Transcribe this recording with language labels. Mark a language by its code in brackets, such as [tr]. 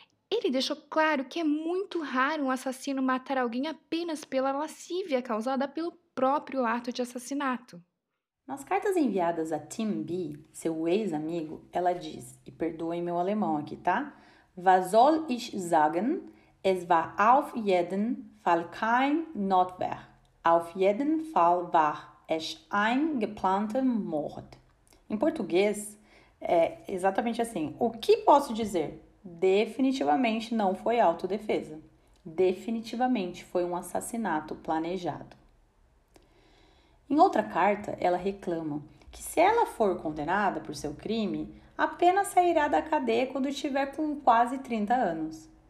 [pt] Ele deixou claro que é muito raro um assassino matar alguém apenas pela lascívia causada pelo próprio ato de assassinato. Nas cartas enviadas a Tim B., seu ex-amigo, ela diz, e perdoem meu alemão aqui, tá? [de] Was soll ich sagen? Es war auf jeden Fall kein Notwehr. Auf jeden Fall war es ein geplanter Mord. [pt] Em português, é exatamente assim. O que posso dizer? Definitivamente não foi autodefesa. Definitivamente foi um assassinato planejado. Em outra carta, ela reclama que se ela for condenada por seu crime, apenas sairá da cadeia quando estiver com quase 30 anos.